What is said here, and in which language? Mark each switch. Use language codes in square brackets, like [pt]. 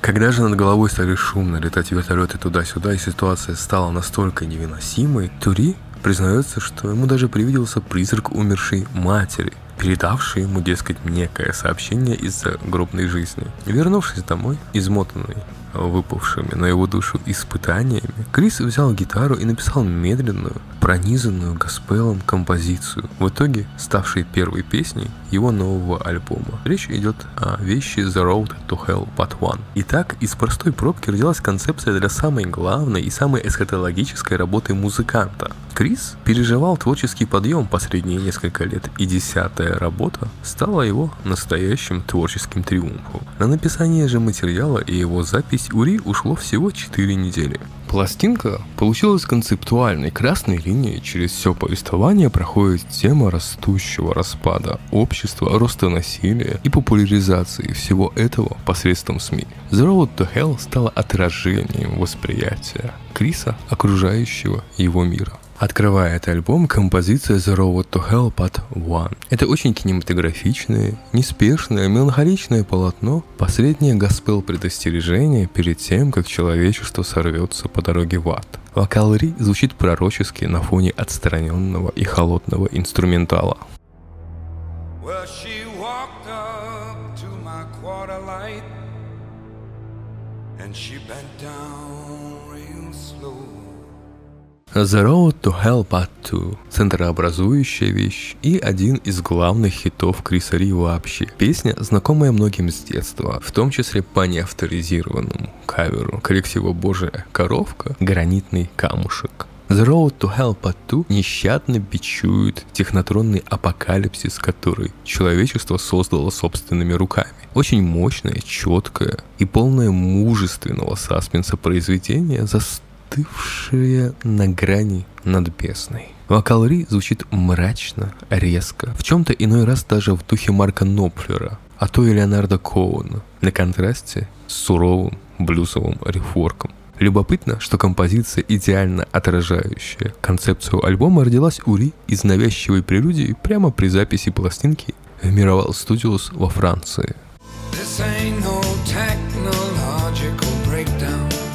[ru] Когда же над головой стали шумно летать вертолеты туда-сюда, и ситуация стала настолько невыносимой, то Ри признается, что ему даже привиделся призрак умершей матери, передавший ему, дескать, некое сообщение из-за гробной жизни. Вернувшись домой, измотанный выпавшими на его душу испытаниями, Крис взял гитару и написал медленную, пронизанную госпелом композицию, в итоге ставшей первой песней его нового альбома. Речь идет о вещи The Road to Hell Part 1. Итак, из простой пробки родилась концепция для самой главной и самой эсхатологической работы музыканта. Крис переживал творческий подъем последние несколько лет, и 10-я работа стала его настоящим творческим триумфом. На написание же материала и его запись у Ри ушло всего 4 недели. Пластинка получилась концептуальной. Красной линией через все повествование проходит тема растущего распада общества, роста насилия и популяризации всего этого посредством СМИ. The Road to Hell стала отражением восприятия Криса, окружающего его мира. Открывает альбом композиция The Road to Hell Part 1. Это очень кинематографичное, неспешное, меланхоличное полотно, последнее госпел предостережение перед тем, как человечество сорвется по дороге в ад. Вокал Ри звучит пророчески на фоне отстраненного и холодного инструментала. [en] Well, she walked up to my quarter light, and she bent down real slow. [ru] The Road to Hell Part 2 – центрообразующая вещь и один из главных хитов Криса Ри вообще. Песня, знакомая многим с детства, в том числе по неавторизированному каверу коллектива «Божья коровка» – «Гранитный камушек». The Road to Hell Part 2 нещадно бичует технотронный апокалипсис, который человечество создало собственными руками. Очень мощное, четкое и полное мужественного саспенса произведение застывшее на грани над бездной. Вокал Ри звучит мрачно, резко, в чем-то иной раз даже в духе Марка Нопфлера, а то и Леонарда Коуэна, на контрасте с суровым блюзовым рефорком. Любопытно, что композиция, идеально отражающая концепцию альбома, родилась у Ри из навязчивой прелюдии прямо при записи пластинки в Mirabal Studios во Франции. [en] This ain't no technological breakdown.